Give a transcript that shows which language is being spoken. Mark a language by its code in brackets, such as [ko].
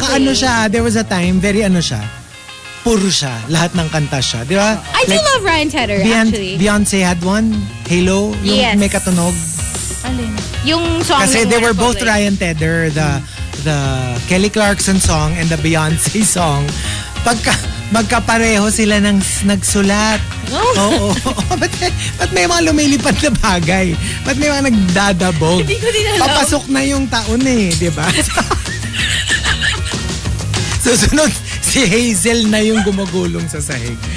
[tl] At saka ano siya, [en] there was a time, [tl] very ano siya, puro siya, lahat ng kanta siya. Di ba? [en] I like, do love Ryan Tedder, actually. Beyonce had one, Halo, yung yes. [tl] May katunog. Alin? Yung song. Kasi [en] they were both Ryan Tedder, the Kelly Clarkson song and the Beyonce song. [tl] Pagka... Magkapareho sila ng nagsulat. Oh. Oo. Ba't may mga lumilipad na bagay? Ba't may mga nagdadabog? Hindi ko din alam. Papasok na yung taon eh, di ba? Susunod, si Hazel na yung gumugulong sa sahig.